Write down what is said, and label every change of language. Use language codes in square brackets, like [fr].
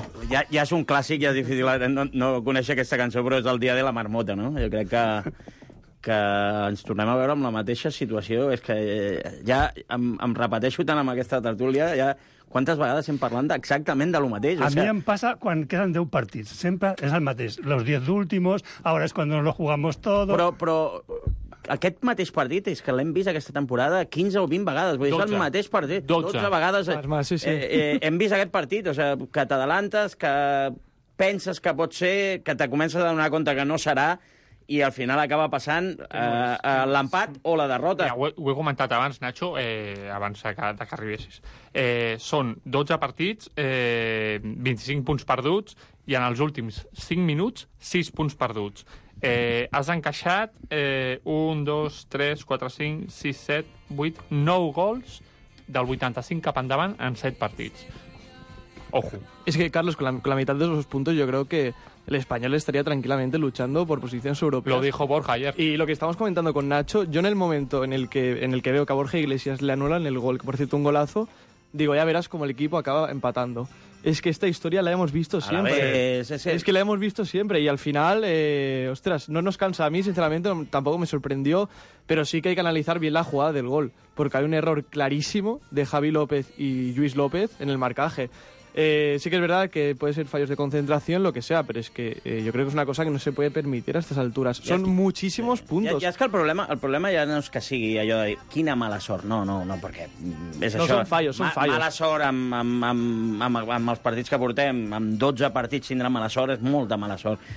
[ca] Ja és un clàssic, ja és difícil no conèixer aquesta cançó, però és el dia de la marmota, no? Jo crec que ens tornem a veure amb la mateixa situació. És que ja em repeteixo tant amb aquesta tertúlia, ja quantes vegades hem parlat exactament de lo mateix. A mi em passa quan queden 10 partits. Sempre és el mateix. [es] Los 10 últimos, ahora es cuando nos lo jugamos todo... [ca] Però aquest mateix partit és que l'hem vist aquesta temporada 15 o 20 vegades. Vull dir, és el mateix partit. 12 vegades. Sí. Hem vist aquest partit, o sigui, que t'adalantes, que penses que pot ser, que te comences a donar compte que no serà, i al final acaba passant l'empat o la derrota. Ja, ho he comentat abans, Nacho, abans que arribessis. Són 12 partits, 25 punts perduts, i en els últims 5 minuts, 6 punts perduts. Has encaixat 1, 2, 3, 4, 5, 6, 7, 8, 9 gols del 85 cap endavant en 7 partits. Ojo. És que, Carlos, con la meitat de esos puntos jo crec que l'Espanyol estaria tranquil·lament luchando per posicions europees. [es] Lo dijo Borja ayer. I lo que estamos comentando con Nacho, yo en el momento en el que veo que a Borja Iglesias le anulan el gol, que por cierto un golazo, digo, ya verás como el equipo acaba empatando. Es que esta historia la hemos visto siempre. Es que la hemos visto siempre y al final, ostras, no nos cansa. A mí, sinceramente, tampoco me sorprendió, pero sí que hay que analizar bien la jugada del gol, porque hay un error clarísimo de Javi López y Lluís López en el marcaje. Sí que es verdad que puede ser fallos de concentración, lo que sea, pero es que yo creo que es una cosa que no se puede permitir a estas alturas. Son muchísimos puntos. Ya es que el problema ya no es que sigui allò de dir, quina mala sort. [ca] No, perquè és això. No són fallos, són fallos. Mala sort amb els partits que portem, amb 12 partits tindrà mala sort, és molta mala sort.